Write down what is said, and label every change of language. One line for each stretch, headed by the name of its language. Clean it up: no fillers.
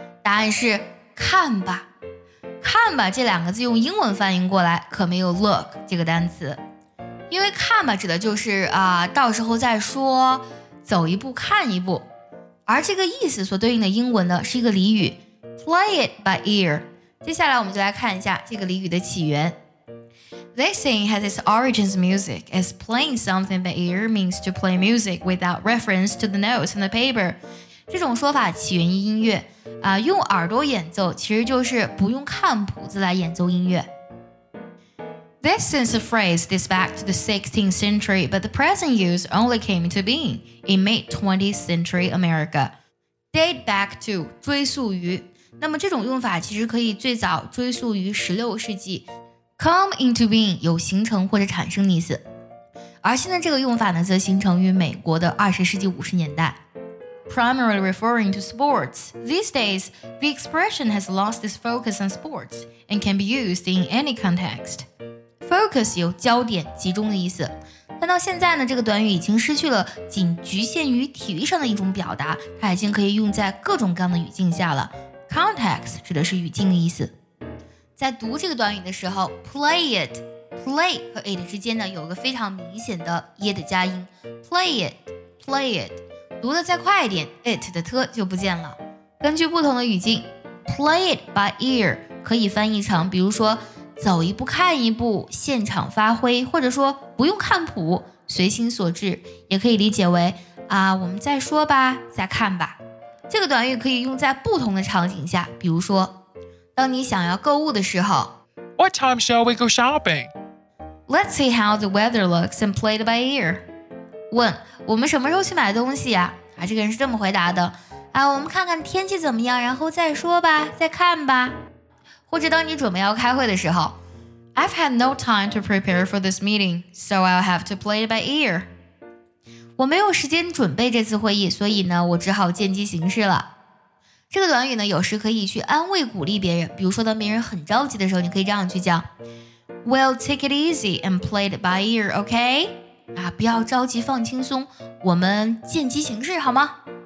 Chinese: 答案是看吧。看吧这两个字用英文翻译过来可没有 look 这个单词，因为看吧指的就是到时候再说，走一步看一步，而这个意思所对应的英文呢是一个俚语
English: play it by ear。
Chinese: 接下来我们就来看一下这个俚语的起源。
English: This saying has its origins in music, as playing something by ear means to play music without reference to the notes on the paper.
Chinese: 这种说法起源于音乐，用耳朵演奏其实就是不用看谱子来演奏音乐。
English: This is a phrase dates back to the 16th century, but the present use only came into being in mid-20th century America. Date back to,
Chinese: 追溯于。那么这种用法其实可以最早追溯于16世纪。
English: Come into being
Chinese: 有形成或者产生的意思，而现在这个用法呢，则形成于美国的20世纪50年代。
English: Primarily referring to sports, these days, the expression has lost its focus on sports and can be used in any context.
Chinese: Focus 有焦点、集中的意思，但到现在呢，这个短语已经失去了仅局限于体育上的一种表达，它已经可以用在各种各样的语境下了。 Context 指的是语境的意思。在读这个短语的时候
English: play it, play
Chinese: 和 it 之间呢有个非常明显的 ye 的加音
English: play it, play it,
Chinese: 读得再快一点 it 的 t 就不见了。根据不同的语境
English: play it by ear
Chinese: 可以翻译成比如说走一步看一步，现场发挥，或者说不用看谱，随心所至，也可以理解为我们再说吧，再看吧。这个短语可以用在不同的场景下，比如说当你想要购物的时候
English: What time shall we go shopping? Let's see how the weather looks and play it by ear.
Chinese: 问我们什么时候去买东西呀、啊？这个人是这么回答的、我们看看天气怎么样，然后再说吧，再看吧。或者当你准备要开会的时候
English: I've had no time to prepare for this meeting, so I'll have to play it by ear.
Chinese: 我没有时间准备这次会议，所以呢，我只好见机行事了。这个短语呢，有时可以去安慰鼓励别人，比如说当别人很着急的时候，你可以这样去讲
English: We'll take it easy and play it by ear, okay?
Chinese: 不要着急，放轻松，我们见机行事好吗？